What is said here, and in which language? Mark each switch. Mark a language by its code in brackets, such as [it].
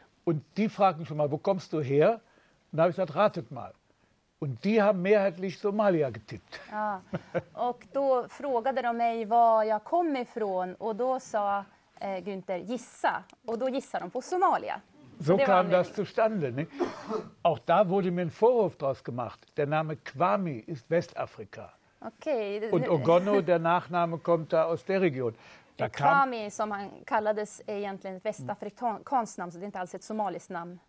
[de] Und die fragten schon mal, wo kommst du her? Und habe ich gesagt, ratet mal. Und die haben mehrheitlich Somalia getippt. [sv] Ja, och då frågade de mig var jag kom ifrån. Och då sa Günther, gissa. Och då gissade de på Somalia. [de] So kam das zustande. Ne? Auch da wurde mir ein Vorwurf draus gemacht. Der Name Kwame ist Westafrika. Okay. Und Ogono, der Nachname, kommt da aus der Region. [sv] Da Kwame, kam, som han kallades, är egentligen ett västafrikanskt namn. Så det är inte alls ett somaliskt namn.